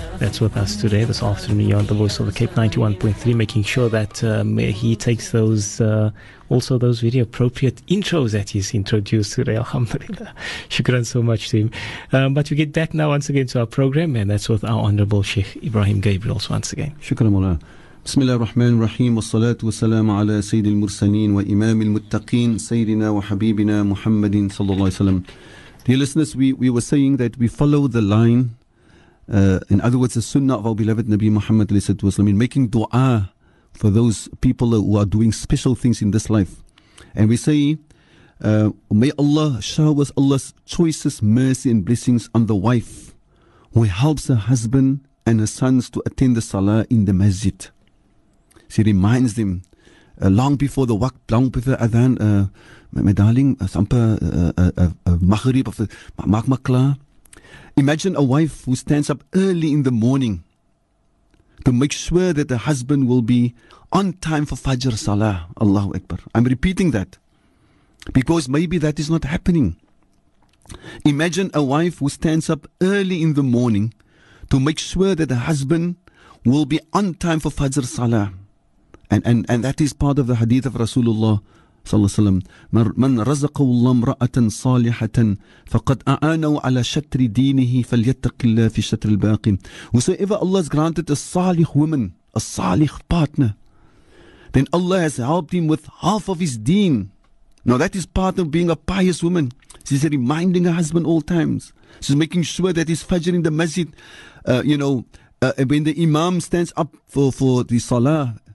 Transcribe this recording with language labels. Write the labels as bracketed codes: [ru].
[en] That's with us today, this afternoon, here on the Voice of the Cape 91.3, making sure that he takes those video appropriate intros that he's introduced today. Alhamdulillah. Shukran so much to him. But we get back now once again to our program, and that's with our Honorable Sheikh Ibrahim Gabriels once again. Shukran, Mullah. [ar] بسم الله الرحمن الرحيم والصلاة والسلام على سيد المرسلين وإمام المتقين سيدنا وحبيبنا محمد صلى الله عليه وسلم. [en] Dear listeners, we were saying that we follow the line, in other words, the sunnah of our beloved Nabi Muhammad [ar] صلى الله عليه وسلم, [en] in making dua for those people who are doing special things in this life. And we say, may Allah shower Allah's choices, mercy and blessings on the wife who helps her husband and her sons to attend the salah in the masjid. She reminds them, long before the waqt, long before the adhan, my darling, maghrib of the maqmakla. Imagine a wife who stands up early in the morning to make sure that the husband will be on time for Fajr Salah. Allahu Akbar. I'm repeating that because maybe that is not happening. Imagine a wife who stands up early in the morning to make sure that the husband will be on time for Fajr Salah. And that is part of the hadith of Rasulullah sallallahu alaihi wasallam. [ar] من رزق الله امرأة صالحة فقد أعانه على شتر دينه فليتق الله في شتر الباقي. [en] Whosoever Allah has granted a salih woman, a salih partner, then Allah has helped him with half of his deen. Now that is part of being a pious woman. She's reminding her husband all times. She's making sure that his fajr in the masjid, when the imam stands up for the salah,